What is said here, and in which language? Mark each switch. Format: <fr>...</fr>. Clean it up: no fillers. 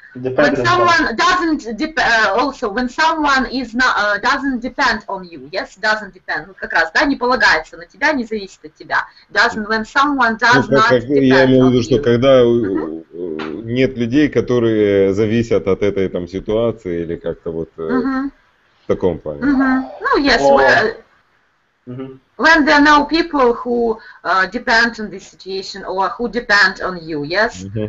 <en>when someone doesn't also when someone is not doesn't depend on you, yes, doesn't depend.</en> <ru>Ну, как раз, да, не полагается на тебя, не зависит от тебя.</ru> <en>Doesn't when someone does not depend on you.</en> <ru>Я имею в виду, что когда нет людей, которые зависят от этой там ситуации или как-то вот в таком плане. Ну,</ru> <en>yes, when there are no people who depend on the situation or who depend on you, yes?</en>